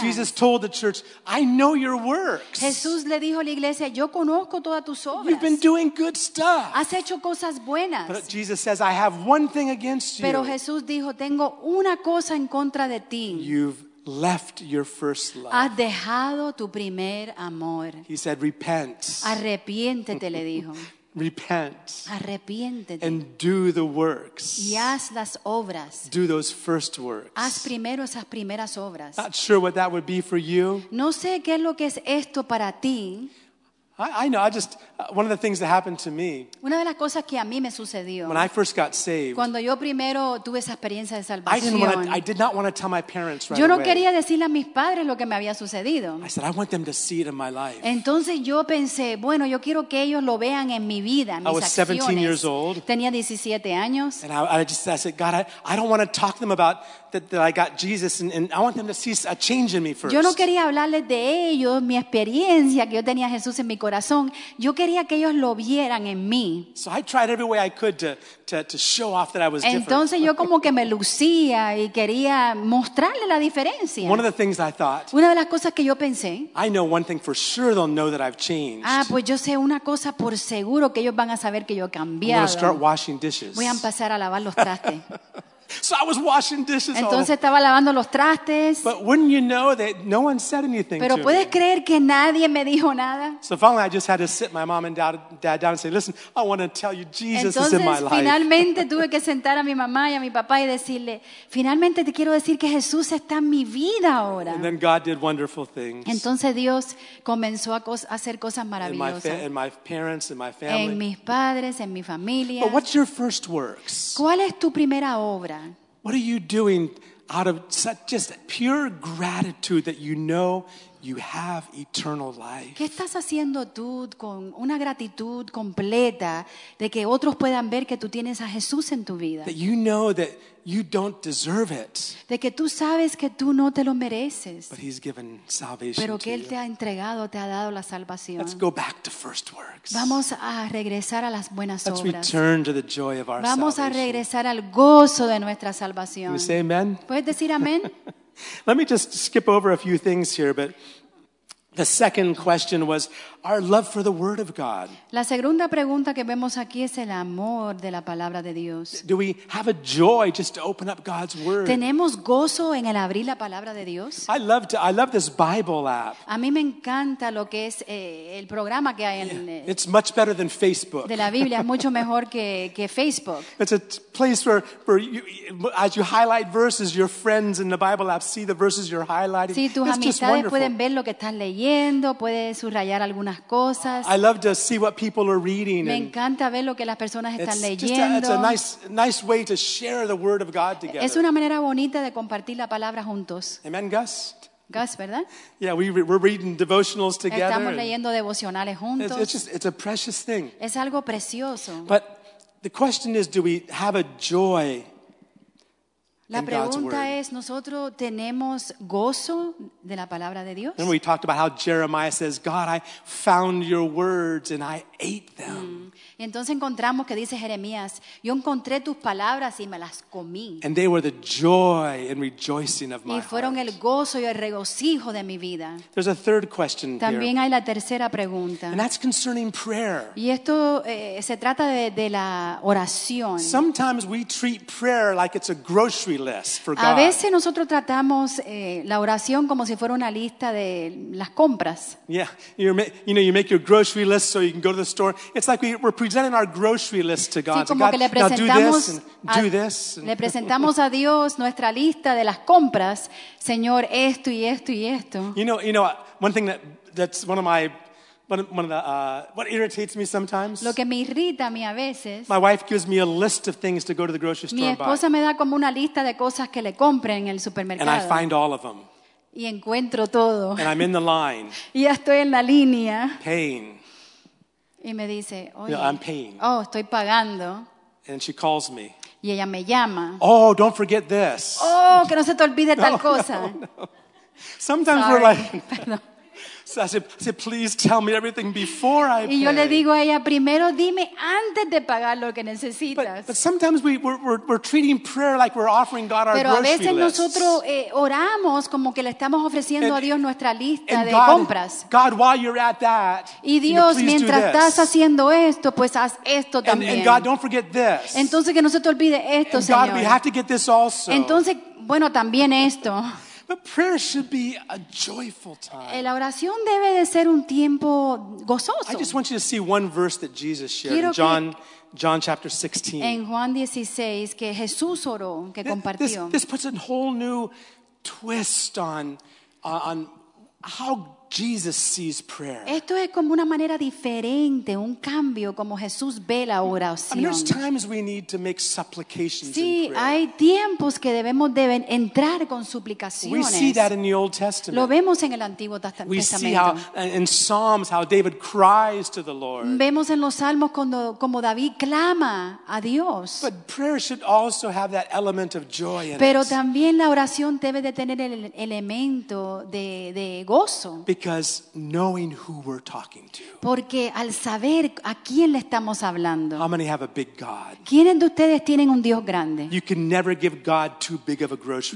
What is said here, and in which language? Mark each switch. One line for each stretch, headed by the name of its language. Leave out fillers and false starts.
English: Jesus told the church, I know your works.
Spanish: Jesús le dijo a la iglesia, yo conozco todas tus obras.
English: You've been doing good stuff.
Spanish: Has hecho cosas buenas.
English: But Jesus says, I have one thing against you.
Spanish: Pero Jesús dijo, tengo una cosa en contra de ti.
English: You've left your first love.
Spanish: Has dejado tu primer amor.
English: He said, repent.
Spanish: Arrepiéntete, le dijo.
English: Repent.
Spanish: Arrepiéntete.
English: And do the works.
Spanish: Y haz las obras.
English: Do those first works.
Spanish: Haz primero esas primeras obras.
English: Not sure what that would be for you.
Spanish: No sé qué es lo que es esto para ti.
English: I know. I just one of the things that happened to me.
Spanish: Una de las cosas que a mí me sucedió.
English: When I first got saved.
Spanish: Cuando yo primero tuve esa experiencia de salvación.
English: I did not want to tell my parents right
Spanish: Yo no quería decirle a mis padres lo que me había sucedido.
English: I said I want them to see it in my life.
Spanish: Entonces yo pensé, bueno, yo quiero que ellos lo vean en mi vida, mis acciones.
English: I was 17 years old.
Spanish: Tenía 17 años.
English: And I said, God, I don't want to talk to them about that I got Jesus, and I want them to see a change in me first.
Spanish: Yo no quería hablarles de ellos, mi experiencia que yo tenía Jesús en mi corazón. Yo quería que ellos lo vieran en mí.
English: So I tried every way I could to show off that I was
Spanish: Entonces,
English: different.
Spanish: Yo como que me lucía y quería mostrarle la diferencia.
English: One of the things I thought.
Spanish: Una de las cosas que yo pensé.
English: I know one thing for sure; they'll know that I've changed.
Spanish: Ah, pues yo sé una cosa por seguro que ellos van a saber que yo he cambiado.
English: I'm going to start washing dishes.
Spanish: Voy a empezar a lavar los trastes.
English: So I was washing dishes.
Spanish: Entonces estaba lavando los trastes.
English: But wouldn't you know that no one said anything?
Spanish: Pero
English: to
Spanish: puedes
English: me.
Spanish: Creer que nadie me dijo nada.
English: So finally, I just had to sit my mom and dad down and say, "Listen, I want to tell you Jesus
Spanish: Entonces,
English: is in my life."
Spanish: Finalmente tuve que sentar a mi mamá y a mi papá y decirle, "Finalmente te quiero decir que Jesús está en mi vida ahora."
English: And then God did wonderful things.
Spanish: Entonces Dios comenzó a hacer cosas maravillosas.
English: In my parents and my family.
Spanish: En mis padres, en mi familia.
English: But what's your first works?
Spanish: ¿Cuál es tu primera obra?
English: What are you doing out of such just pure gratitude that you know you have eternal life?
Spanish: ¿Qué estás haciendo tú con una gratitud completa de que otros puedan ver que tú tienes a Jesús en tu vida?
English: That you know that you don't deserve it.
Spanish: De que tú sabes que tú no te lo mereces.
English: But he's given salvation.
Spanish: Pero que él
English: to
Spanish: te
English: you.
Spanish: Ha entregado, te ha dado la salvación.
English: Let's go back to first works.
Spanish: Vamos a regresar a las buenas
English: Let's
Spanish: obras.
English: Let's return to the joy of our
Spanish: Vamos
English: salvation.
Spanish: A regresar al gozo de nuestra salvación.
English: You say amen?
Spanish: ¿Puedes decir amén?
English: Let me just skip over a few things here, but The second question was our love for the Word of God.
Spanish: La segunda pregunta que vemos aquí es el amor de la palabra de Dios.
English: Do we have a joy just to open up God's Word?
Spanish: ¿Tenemos gozo en el abrir la palabra de Dios?
English: I love this Bible app.
Spanish: A mí me encanta lo que es el programa que hay en.
English: It's much better than Facebook.
Spanish: De la Biblia es mucho mejor que Facebook.
English: It's a place where you, as you highlight verses, your friends in the Bible app see the verses you're highlighting.
Spanish: Sí, tus
English: it's
Spanish: amistades
English: just wonderful.
Spanish: Pueden ver lo que estás leyendo, puedes subrayar algunas cosas.
English: I love to see what people are reading.
Spanish: Me encanta ver lo que las personas están leyendo.
English: It's a nice way to share the Word of God together.
Spanish: Es una manera bonita de compartir la palabra juntos.
English: Amen, Gus.
Spanish: Gus, ¿verdad?
English: Yeah, we're reading devotionals together.
Spanish: Estamos leyendo devocionales juntos.
English: It's a precious thing.
Spanish: Es algo precioso.
English: But the question is, do we have a joy?
Spanish: La pregunta es, ¿nosotros tenemos gozo de la palabra de Dios?
English: Remember we talked about how Jeremiah says, God, I found your words and I ate them.
Spanish: Y entonces encontramos que dice Jeremías, yo encontré tus palabras y me las comí.
English: And they were the joy and rejoicing of my heart.
Spanish: Y fueron el gozo y el regocijo de mi vida.
English: There's a third question here.
Spanish: También hay la tercera pregunta.
English: And that's concerning prayer.
Spanish: Y esto se trata de la oración.
English: Sometimes we treat prayer like it's a grocery.
Spanish: A veces nosotros tratamos la oración como si fuera una lista de las compras.
English: Yeah, you make your grocery list so you can go to the store. It's like we're presenting our grocery list to God.
Spanish: Sí, como que le presentamos le presentamos a Dios nuestra lista de las compras, Señor, esto y esto y esto.
English: You know, one thing that's what irritates me sometimes.
Spanish: Lo que me irrita a mí a veces.
English: My wife gives me a list of things to go to the grocery store.
Spanish: Mi esposa me da como una lista de cosas que le compre en el supermercado.
English: And I find all of them.
Spanish: Y encuentro todo.
English: And I'm in the line.
Spanish: Y ya estoy en la línea.
English: Paying.
Spanish: Y me dice, oye,
English: you know, I'm paying.
Spanish: Oh, estoy pagando.
English: And she calls me.
Spanish: Y ella me llama.
English: Oh, don't forget this.
Spanish: Oh, que no se te olvide tal cosa.
English: No. Sometimes Sorry. We're like.
Spanish: Perdón.
English: So I said, please tell me everything before I pay.
Spanish: Y yo le digo a ella, primero dime antes de pagar lo que necesitas.
English: But sometimes we're treating prayer like we're offering God our grocery list.
Spanish: Pero a veces nosotros oramos como que le estamos ofreciendo a Dios nuestra lista de compras.
English: God, while you're at that,
Spanish: y Dios, mientras estás haciendo esto, pues haz esto también.
English: And God, don't forget this.
Spanish: Entonces que no se te olvide esto,
English: and
Spanish: Señor.
English: God, we have to get this also.
Spanish: Entonces, bueno, también esto.
English: But prayer should be a joyful time.
Spanish: La oración debe de ser un tiempo gozoso.
English: I just want you to see one verse that Jesus shared.
Spanish: Quiero
English: John chapter 16.
Spanish: En Juan 16 que Jesús oró, que compartió.
English: This puts a whole new twist on how Jesus sees prayer.
Spanish: Esto es como una manera diferente, un cambio como Jesús ve la oración.
English: And there's times we need to make supplications
Spanish: sí,
English: in prayer.
Spanish: Sí, hay tiempos que debemos deben entrar con suplicaciones.
English: We see that in the Old Testament.
Spanish: Lo vemos en el Antiguo Testamento.
English: We see how in Psalms how David cries to the Lord.
Spanish: Vemos en los Salmos como David clama a Dios.
English: But prayer should also have that element of joy in it.
Spanish: Pero también la oración debe de tener el elemento de gozo.
English: Because knowing who we're talking to.
Spanish: Porque al saber a quién le estamos hablando.
English: How many have a big God?
Spanish: ¿Quiénes de ustedes tienen un Dios grande?
English: You can never give God too big of a grocery list.